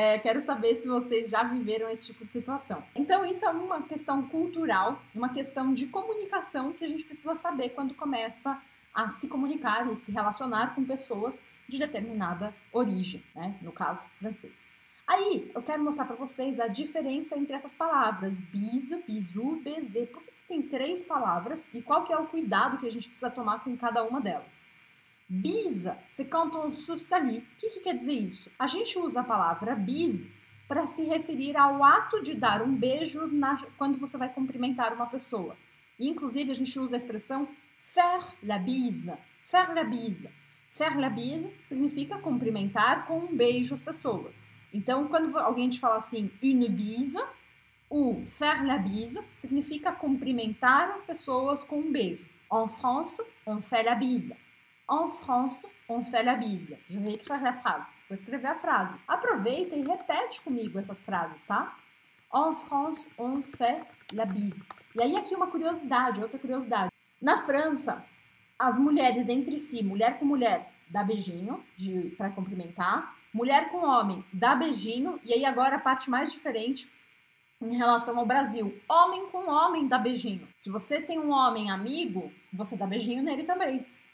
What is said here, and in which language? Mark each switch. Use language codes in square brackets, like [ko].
[pt] Quero saber se vocês já viveram esse tipo de situação. Então isso é uma questão cultural, uma questão de comunicação que a gente precisa saber quando começa a se comunicar e se relacionar com pessoas de determinada origem, né? No caso, francês. Aí, eu quero mostrar para vocês a diferença entre essas palavras. Bisou, bisou, baiser. Por que tem três palavras e qual que é o cuidado que a gente precisa tomar com cada uma delas? [fr] Bisa, c'est quand on se salue. [pt] O que quer dizer isso? A gente usa a palavra bise para se referir ao ato de dar um beijo quando você vai cumprimentar uma pessoa. Inclusive, a gente usa a expressão faire la bise. [fr] Faire la bise. [pt] Faire la bise significa cumprimentar com um beijo as pessoas. Então, quando alguém te fala assim, une bise, ou faire la bise, significa cumprimentar as pessoas com um beijo. [fr] En France, on fait la bise. En France, on fait la bise. [pt] Já vi que foi a frase. Vou escrever a frase. Aproveita e repete comigo essas frases, tá? [fr] En France, on fait la bise. [pt] E aí, aqui uma curiosidade, outra curiosidade. Na França, as mulheres entre si, mulher com mulher, dá beijinho para cumprimentar. Mulher com homem, dá beijinho. E aí agora a parte mais diferente em relação ao Brasil. Homem com homem, dá beijinho. Se você tem um homem amigo, você dá beijinho nele também.